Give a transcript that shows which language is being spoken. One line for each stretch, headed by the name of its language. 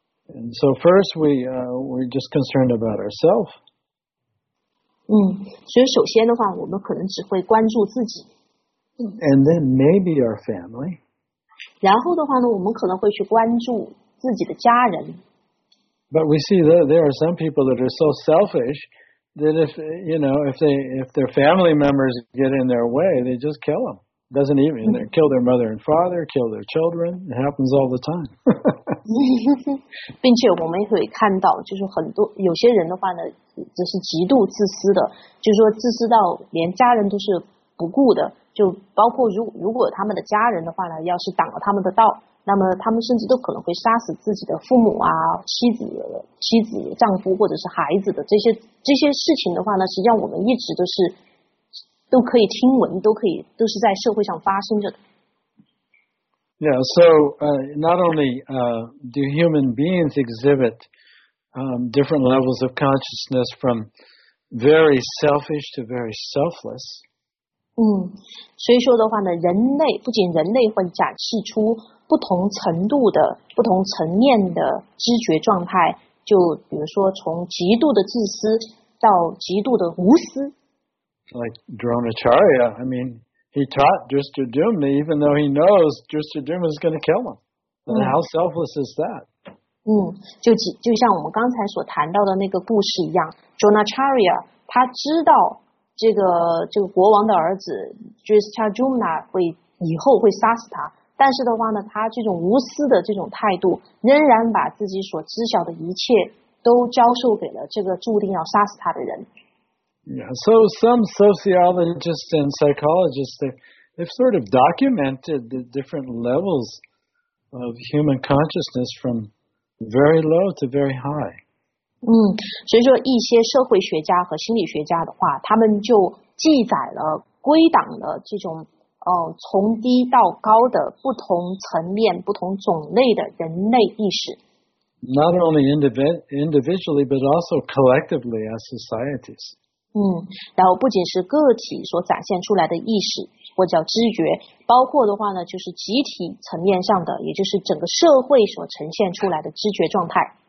English: And so first we're just concerned about ourselves.
Chinese: 所以首先的话，我们可能只会关注自己。
English: And then maybe our family.
Chinese: 然后的话呢，我们可能会去关注自己的家人。
English: But we see that there are some people that are so selfish. That if, you know, if their family members get in their way, they just kill them. doesn't even kill their mother and father, kill their children. It happens all the time.
Chinese: 并且我们也可以看到，就是很多有些人的话呢，就是极度自私的，就是说自私到连家人都是不顾的，就包括如果他们的家人的话呢，要是挡了他们的道，那么他们甚至都可能会杀死自己的父母啊、妻子、丈夫或者是孩子的这些事情的话呢，实际上我们一直都可以听闻，都是在社会上发生着的。
English: Yeah, so not only do human beings exhibit different levels of consciousness from very selfish to very selfless.
Chinese: 所以说的话呢，人类会展示出不同程度的、不同层面的知觉状态，就比如说从极度的自私到极度的无私。
English: Like Dronacharya, I mean, he taught Drishtadyumna even though he knows Drishtadyumna is going to kill him. And how selfless is that?
Chinese: 就像我们刚才所谈到的那个故事一样 ，Dronacharya 他知道这个国王的儿子 Drishtadyumna 会以后会杀死他，但是的话呢，他这种无私的这种态度，仍然把自己所知晓的一切都教授给了这个注定要杀死他的人。
English: Yeah, so some sociologists and psychologists, they've sort of documented the different levels of human consciousness from very low to very high.
Chinese: 所以说一些社会学家和心理学家的话，他们就记载了、归档了这种、从低到高的不同层面、不同种类的人类意识。
English: Not only individually, but also collectively as societies.
Chinese: 然后不仅是个体所展现出来的意识或叫知觉，包括的话呢就是集体层面上的，也就是整个社会所呈现出来的知觉状态。